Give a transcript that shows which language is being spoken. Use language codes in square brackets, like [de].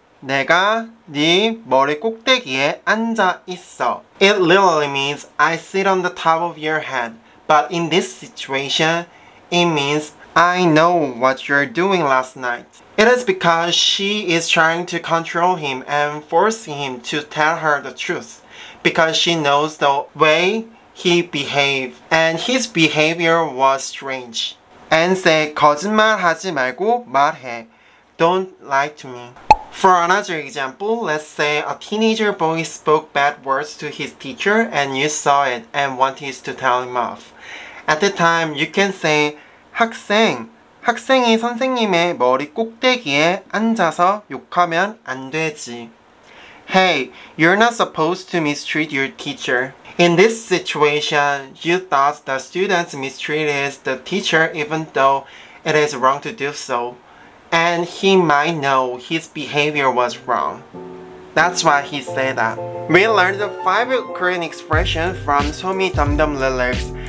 [ko] 내가 네 머리 꼭대기에 앉아 있어. [en] It literally means I sit on the top of your head. But in this situation, it means I know what you're doing last night. It is because she is trying to control him and force him to tell her the truth, because she knows the way he behaved and his behavior was strange. And say [ko] 거짓말하지 말고 말해. [en] Don't lie to me. For another example, let's say a teenager boy spoke bad words to his teacher and you saw it and wanted to tell him off. At the time, you can say [ko] 학생, 학생이 선생님의 머리 꼭대기에 앉아서 욕하면 안 되지. [en] Hey, you're not supposed to mistreat your teacher. In this situation, you thought the student mistreated the teacher even though it is wrong to do so. And he might know his behavior was wrong. That's why he said that. We learned the 5 Korean expressions from Somi Dumb Dumb lyrics.